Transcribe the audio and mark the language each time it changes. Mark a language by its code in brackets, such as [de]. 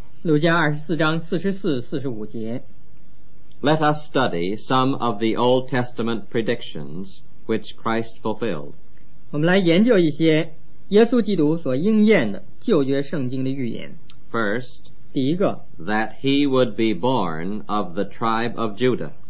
[zh] 路加二十四章四十四、四十五节。 [en] Let us study some of the Old Testament predictions which Christ fulfilled， [zh] 我们来研究一些耶稣基督所应验的旧约圣经的预言。 [en] First， [zh] 第一个， [en] That he would be born of the tribe of Judah，